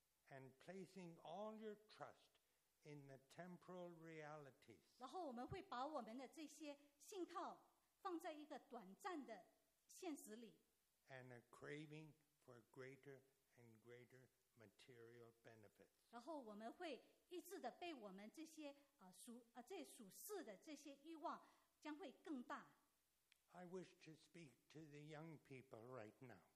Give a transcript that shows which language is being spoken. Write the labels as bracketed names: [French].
[English] and placing all your trust in the temporal realities. [Chinese] 然后我们会把我们的这些信靠放在一个短暂的现实里。 [English] And a craving for greater and greater material benefits. [Chinese] 然后我们会一直的被我们这些这属世的这些欲望将会更大。 [English] I wish to speak to the young people right now.